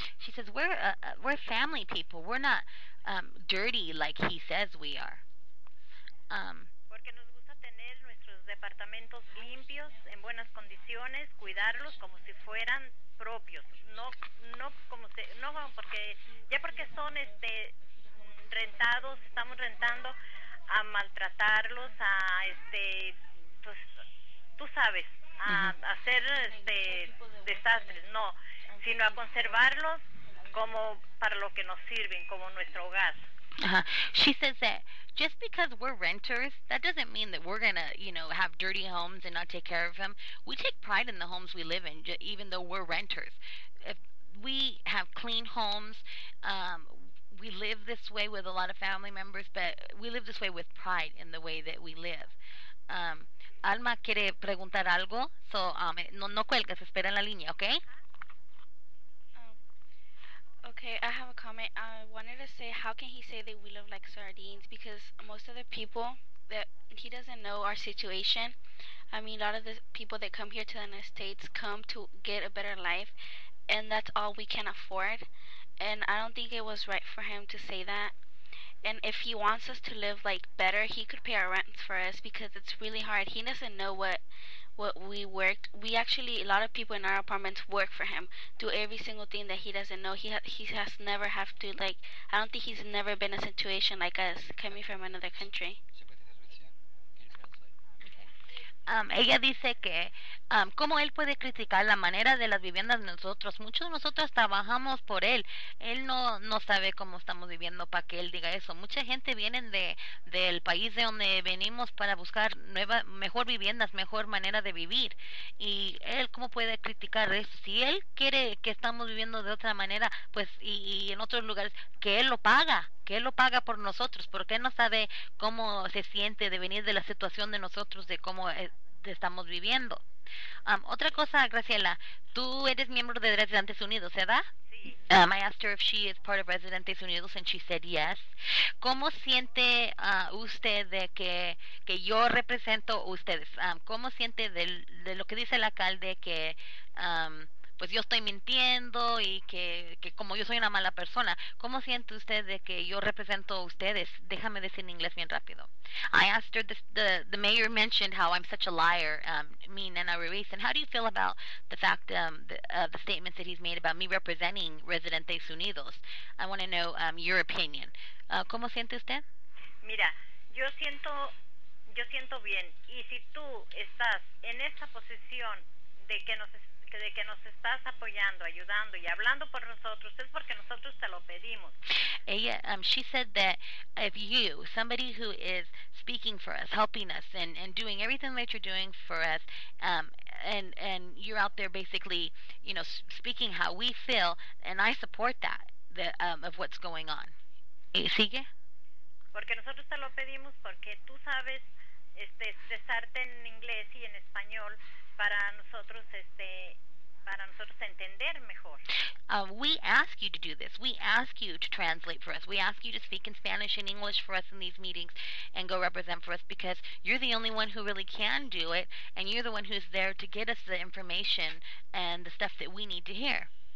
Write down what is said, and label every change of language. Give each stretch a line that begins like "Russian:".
English: She says we're family people, we're not dirty like he says we are.
Spanish: Porque nos gusta tener nuestros departamentos limpios, en buenas condiciones, cuidarlos como si fueran propios, porque son este rentados, estamos rentando, a maltratarlos, a este, pues tú sabes, a hacer este desastres, no, sino a conservarlos como para lo que nos sirven, como nuestro hogar.
English: She says that just because we're renters, that doesn't mean that we're going to, you know, have dirty homes and not take care of them. We take pride in the homes we live in, even though we're renters. If we have clean homes, we live this way with a lot of family members, but we live this way with pride in the way that we live.
Spanish: Alma quiere preguntar algo, so no cuelgas, espera en la línea, okay?
English: Okay, I have a comment. I wanted to say, how can he say that we live like sardines? Because most of the people, that he doesn't know our situation. I mean, a lot of the people that come here to the United States come to get a better life, and that's all we can afford. And I don't think it was right for him to say that. And if he wants us to live like better, he could pay our rents for us, because it's really hard. He doesn't know what we worked. We actually, a lot of people in our apartments work for him, do every single thing that he doesn't know. He has never have to, like, I don't think he's never been in a situation like us, coming from another country.
Spanish: Ella dice que cómo él puede criticar la manera de las viviendas de nosotros. Muchos de nosotros trabajamos por él. Él no sabe cómo estamos viviendo para que él diga eso. Mucha gente viene del país de donde venimos para buscar mejor viviendas, mejor manera de vivir. Y él, ¿cómo puede criticar eso? Si él quiere que estamos viviendo de otra manera, pues y en otros lugares, que él lo paga. Que él lo paga por nosotros, porque él no sabe cómo se siente de venir de la situación de nosotros, de cómo estamos viviendo. Otra cosa, Graciela, tú eres miembro de Residentes Unidos, ¿verdad? Sí.
English: I asked her if she is part of Residentes Unidos and she said yes.
Spanish: ¿Cómo siente usted de que yo represento a ustedes? ¿Cómo siente de lo que dice el alcalde que pues yo estoy mintiendo y que como yo soy una mala persona. ¿Cómo siente usted de que yo represento a ustedes? Déjame decir en inglés bien rápido.
English: I asked her, the mayor mentioned how I'm such a liar, me, Nena Ruiz, and how do you feel about the fact, the statements that he's made about me representing Residentes Unidos? I want to know your opinion.
Spanish: ¿Cómo siente usted? Mira, yo siento bien, y si tú estás en esta posición de que nos estás apoyando, ayudando y hablando por nosotros, es porque nosotros te lo pedimos. Ella,
English: she said that if you, somebody who is speaking for us, helping us, and doing everything that you're doing for us, and you're out there basically, you know, speaking how we feel, and I support that, of what's going on.
Spanish: ¿Sigue? Porque nosotros te lo pedimos porque tú sabes expresarte en inglés y en español para nosotros entender mejor.
English: We ask you to do this. We ask you to translate for us. We ask you to speak in Spanish and English for us in these meetings and go represent for us because you're the only one who really can do it and you're the one who's there to get us the information and the stuff that we need to hear.